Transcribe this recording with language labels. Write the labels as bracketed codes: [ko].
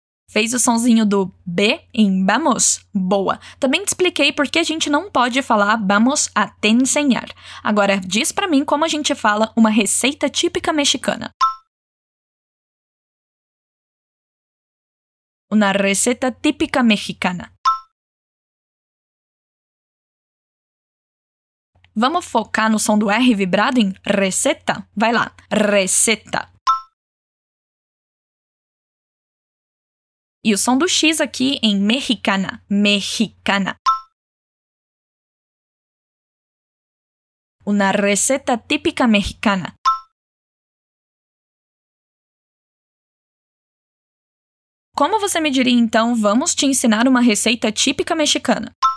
[pt] Fez o sonzinho do B em vamos? Boa! Também te expliquei por que a gente não pode falar [es] vamos a te enseñar. [pt] Agora, diz pra mim como a gente fala uma receita típica mexicana. [es] Una receta típica mexicana. [pt] Vamos focar no som do R vibrado em receta? Vai lá, receta. E o som do X aqui em mexicana, mexicana. [es] Una receta típica mexicana. [pt] Como você me diria, então, vamos te ensinar uma receita típica mexicana?